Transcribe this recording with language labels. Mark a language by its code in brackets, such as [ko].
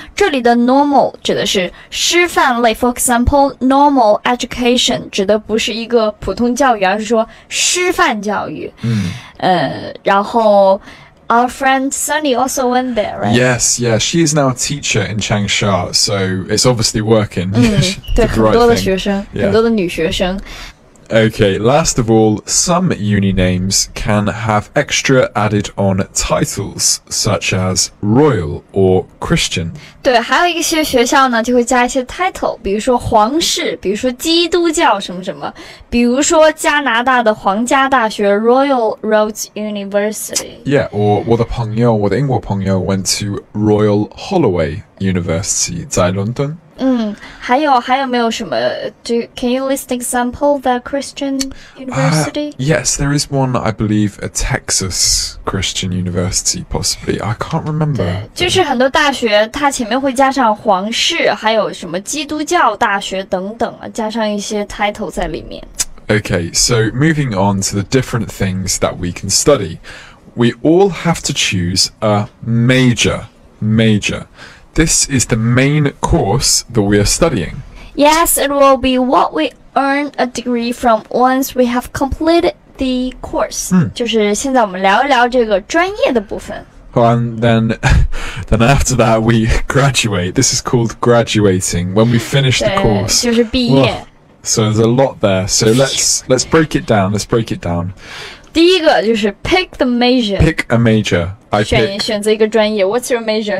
[zh] 这里的 Normal 指的是师范类 ， [en] For example, Normal Education [zh] 指的不是一个普通教育，而是说师范教育。 [en] 然后 our friend Sunny also went there, right? Yes, yeah, she is now a teacher in Changsha, so it's obviously working. [zh] 对，很多的学生，很多的女学生。 [en] Okay, last of all, some uni names can have extra added on titles, such as royal or Christian. [zh] 对，还有一些学校呢，就会加一些 title, 比如说皇室，比如说基督教什么什么，比如说加拿大的皇家大学 Royal Roads University. [en] Yeah, or [zh] 我的朋友，我的英国朋友 [en] went to Royal Holloway University [zh] 在伦敦。嗯，还有没有什么 [en] can you list an example the Christian University? Yes, there is one, I believe, a Texas Christian University, possibly. I can't remember. [zh] 就是很多大学它前面会加上皇室，还有什么基督教大学等等，加上一些 title 在里面。 [en] Okay, so moving on to the different things that we can study. We all have to choose a major. This is the main course that we are studying. Yes, it will be what we earn a degree from once we have completed the course. [zh] 就是现在我们聊一聊这个专业的部分。 [en] And then after that, we graduate. This is called graduating, when we finish the course. [zh] 就是毕业。 [en] So there's a lot there. So let's break it down. Let's break it down. [zh] 第一个就是 [en] pick the major. Pick a major. I [zh] 选择一个专业 [en] What's your major?